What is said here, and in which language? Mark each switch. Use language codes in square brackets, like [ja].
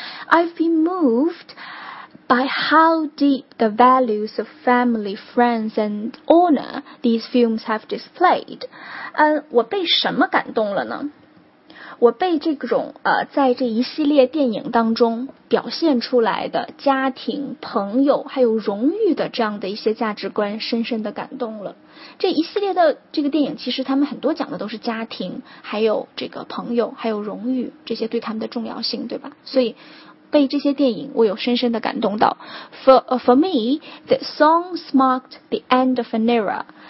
[en] I've been moved by how deep the values of family, friends, and honor these films have displayed. [zh] 我被什么感动了呢？我被这种在这一系列电影当中表现出来的家庭、朋友还有荣誉的这样的一些价值观深深的感动了。这一系列的这个电影其实他们很多讲的都是家庭还有这个朋友还有荣誉这些对他们的重要性，对吧？所以被这些电影我有深深的感动到。 [en] For me, the songs marked the end of an era.